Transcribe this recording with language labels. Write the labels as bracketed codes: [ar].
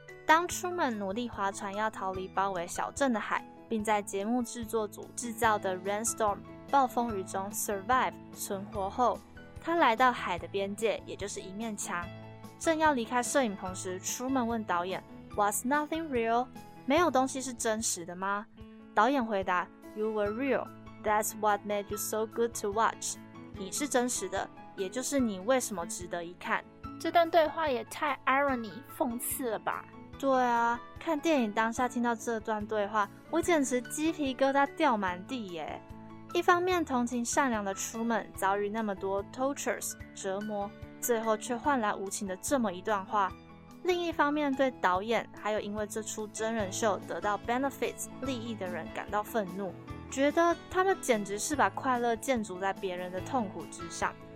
[zh] 当出门努力划船要逃离包围小镇的海，并在节目制作组制造的 rainstorm 暴风雨中 survive 存活后，他来到海的边界，也就是一面墙，正要离开摄影棚时，出门问导演 [en] Was nothing real? [zh] 没有东西是真实的吗？导演回答 [en] You were real, that's what made you so good to watch。 [zh] 你是真实的，也就是你为什么值得一看。这段对话也太 irony 讽刺了吧。对啊，看电影当下听到这段对话，我简直鸡皮疙瘩掉满地耶。一方面同情善良的 Truman 遭遇那么多 tortures 折磨，最后却换来无情的这么一段话，另一方面对导演还有因为这出真人秀得到 benefits 利益的人感到愤怒，觉得他们简直是把快乐建筑在别人的痛苦之上。